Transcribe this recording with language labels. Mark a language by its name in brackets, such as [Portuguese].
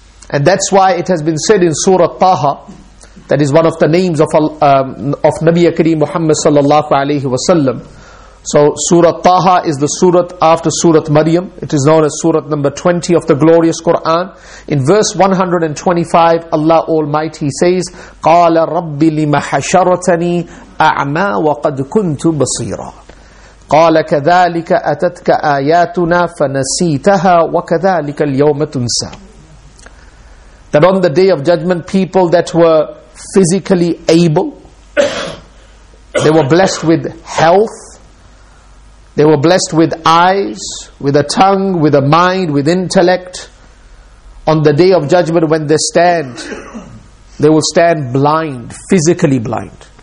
[English] And that's why it has been said in Surah Taha, that is one of the names of Nabi Kareem Muhammad sallallahu alayhi wa sallam. So Surah Taha is the surah after Surah Maryam. It is known as Surah number 20 of the glorious Quran. In verse 125, Allah Almighty says, [Arabic] قَالَ رَبِّ لِمَ حَشَرَتَنِي أَعْمَى وَقَدْ كُنْتُ بَصِيرًا قَالَ كَذَلِكَ أَتَتْكَ آيَاتُنَا فَنَسِيتَهَا وَكَذَلِكَ الْيَوْمَ تُنْسَى. [English] That on the Day of Judgment, people that were physically able, they were blessed with health, they were blessed with eyes, with a tongue, with a mind, with intellect. On the Day of Judgment, when they stand, they will stand blind, physically blind.